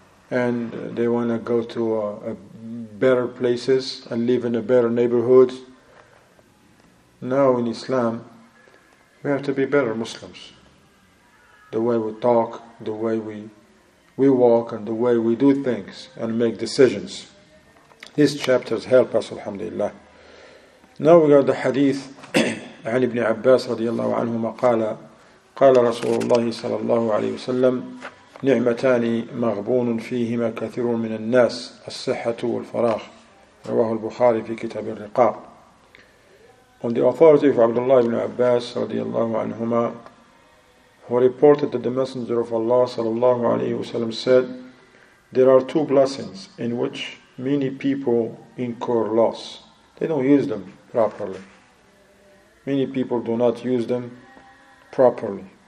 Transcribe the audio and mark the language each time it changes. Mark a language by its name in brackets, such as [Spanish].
[English] And they want to go to a better places and live in a better neighborhood. Now in Islam, we have to be better Muslims. The way we talk, the way we walk, and the way we do things and make decisions. These chapters help us, alhamdulillah. Now we got the hadith. [Arabic] عن ابن عباس رضي الله عنهما قال قال رسول الله صلى الله عليه وسلم نعمتان مغبون فيهما كثير من الناس الصحة والفراغ رواه البخاري في كتاب الرقاق. [English] On the authority of Abdullah ibn Abbas [Arabic] رضي الله عنهما, [English] who reported that the Messenger of Allah [Arabic] صلى الله عليه وسلم [English] said, there are two blessings in which many people incur loss. They don't use them properly. Many people do not use them properly.